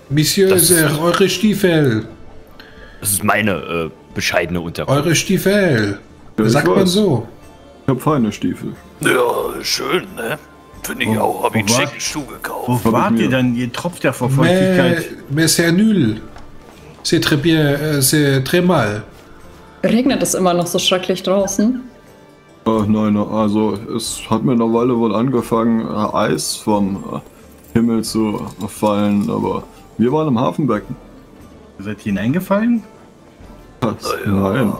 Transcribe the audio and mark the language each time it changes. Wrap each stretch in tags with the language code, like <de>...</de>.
<de>Messieurs, eure Stiefel. Das ist meine bescheidene Unterkunft. Eure Stiefel. Ja, sagt man so. Ich hab feine Stiefel. Ja, schön, ne? Finde ich auch. Hab ich einen schicken Schuh gekauft. Wo wart ihr denn? Ihr tropft ja vor Feuchtigkeit.</de> <fr>Mais c'est nul. C'est très bien, c'est très mal.</fr> <de>Regnet es immer noch so schrecklich draußen? Nein, also es hat mir eine Weile wohl angefangen, Eis vom Himmel zu fallen, aber wir waren im Hafenbecken. Ihr seid hineingefallen? Ja, nein.</de>